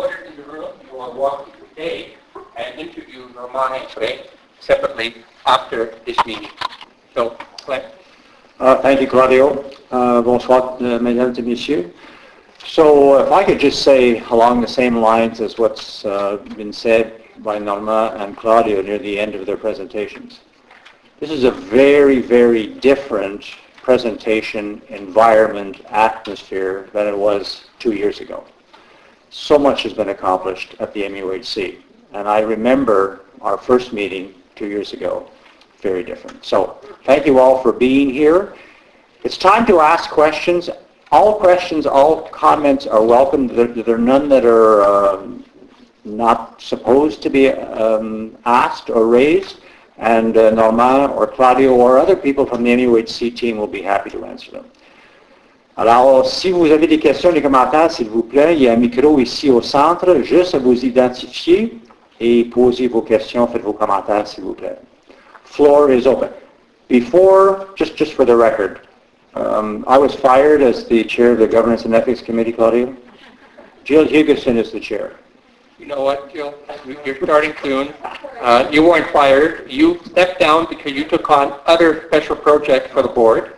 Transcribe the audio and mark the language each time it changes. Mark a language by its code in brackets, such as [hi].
[en] walk you through today and interview Roman and Trey separately after this meeting. So, Clay. Thank you, Claudio. [fr] Bonsoir, mesdames et messieurs. [en] So if I could just say along the same lines as what's been said by Norma and Claudio near the end of their presentations. This is a very, very different presentation, environment, atmosphere than it was 2 years ago. So much has been accomplished at the MUHC. And I remember our first meeting 2 years ago, very different. So thank you all for being here. It's time to ask questions. All questions, all comments are welcome. There are none that are not supposed to be asked or raised. And Norman or Claudio or other people from the MUHC team will be happy to answer them. [fr] Alors, si vous avez des questions, des commentaires, s'il vous plaît, il y a un micro ici au centre, juste à vous identifier et poser vos questions, faites vos commentaires, s'il vous plaît. [en] Floor is open. Before, just for the record, I was fired as the chair of the Governance and Ethics Committee, Claudio. Jill Hugesson is the chair. You know what, Jill? You're starting soon. You weren't fired. You stepped down because you took on other special projects for the board.